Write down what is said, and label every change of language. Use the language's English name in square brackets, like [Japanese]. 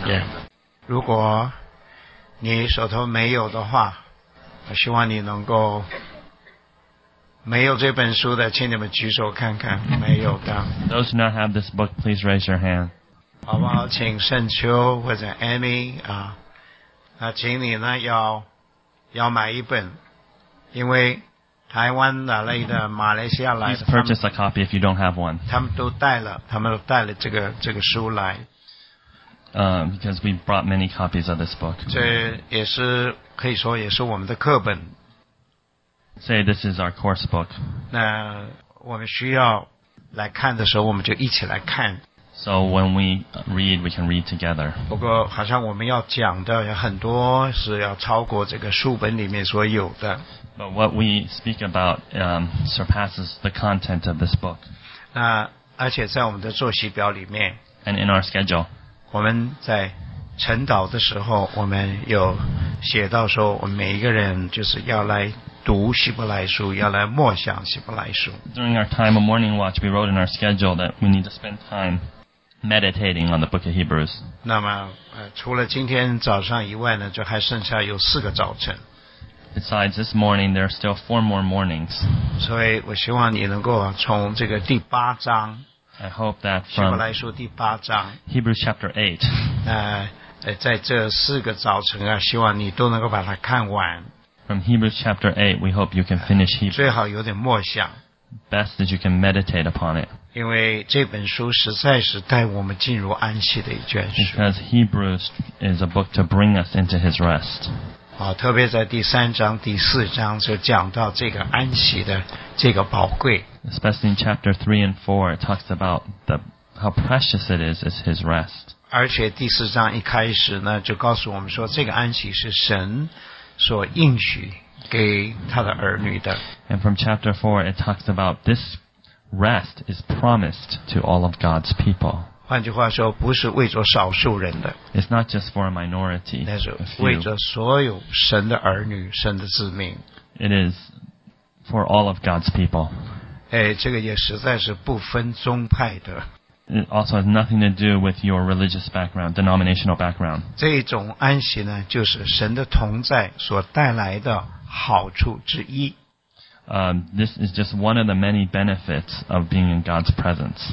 [Chinese] Yeah. 如果你手头没有的话，我希望你能够没有这本书的，请你们举手看看，没有的。 [English] Those who not have this book, please raise your hand. [Chinese] 好不好？请圣秋或者 Amy 请你呢要买一本，因为台湾哪类的、马来西亚来的。 [English] Please purchase a copy if you don't have one. [Chinese] 他们都带了这个书来。 [English] Because we brought many copies of this book. [Chinese] 这也是可以说也是我们的课本。 [English] Say this is our course book. [Chinese] 那我们需要来看的时候，我们就一起来看。 [English] So when we read, we can read together. [Chinese] 不过好像我们要讲的有很多是要超过这个书本里面所有的。 [English] But what we speak about surpasses the content of this book. [Chinese] 那而且在我们的作息表里面。 [English] And in our schedule. [Chinese] 我们在晨祷的时候，我们有写到说，我们每一个人就是要来读希伯来书，要来默想希伯来书。 [English] During our time of morning watch, we wrote in our schedule that we need to spend time meditating on the book of Hebrews. [Chinese] 那么，除了今天早上以外呢，就还剩下有四个早晨。 [English] Besides this morning, there are still four more mornings. [Chinese] 所以我希望你能够从这个第八章。 [English] I hope that from Hebrews chapter 8, [Chinese] 在这四个早晨啊，希望你都能够把它看完。 [English] From Hebrews chapter 8, we hope you can finish Hebrews. [Chinese] 最好有点默想。 [English] Best that you can meditate upon it. [Chinese] 因为这本书实在是带我们进入安息的一卷书。 [English] Because Hebrews is a book to bring us into His rest. [Chinese] 特别在第三章、第四章就讲到这个安息的这个宝贵。 [English] Especially in chapter 3 and 4, it talks about how precious it is his rest. [Chinese] 而且第四章一开始呢，就告诉我们说，这个安息是神所应许给他的儿女的。 [English] And from chapter 4, it talks about this rest is promised to all of God's people. [Chinese] 换句话说，不是为着少数人的。 [English] It's not just for a minority. [Chinese] 但是为着所有神的儿女，神的子民。 [English] It is for all of God's people. [Chinese] 这个也实在是不分宗派的。 [English] It also has nothing to do with your religious background, denominational background. [Chinese] 这种安息呢，就是神的同在所带来的好处之一。 [English] This is just one of the many benefits of being in God's presence.